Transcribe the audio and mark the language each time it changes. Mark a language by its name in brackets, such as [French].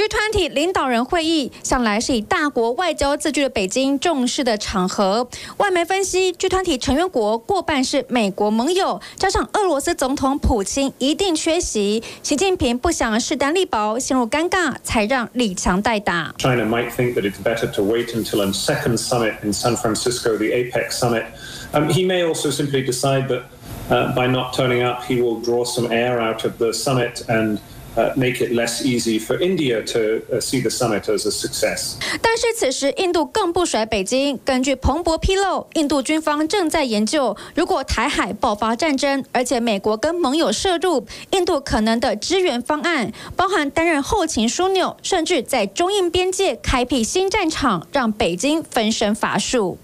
[Chinese] G20 领导人会议向来是以大国外交自居的北京重视的场合。外媒分析 G20 成员国过半是美国盟友，加上俄罗斯总统普京一定缺席，习近平不想势单力薄陷入尴尬，才让李强代打。 [English] China might think that it's better to wait until a second summit in San Francisco, the APEC summit. He may also simply decide that by not turning up, he will draw some air out of the summit andmake it less easy for India to see the summit as a success. [Chinese] 但是此时印度更不甩北京，根据彭博披露，印度军方正在研究，如果台海爆发战争，而且美国跟盟友涉入，印度可能的支援方案包含担任后勤枢纽，甚至在中印边界开辟新战场，让北京分身乏术。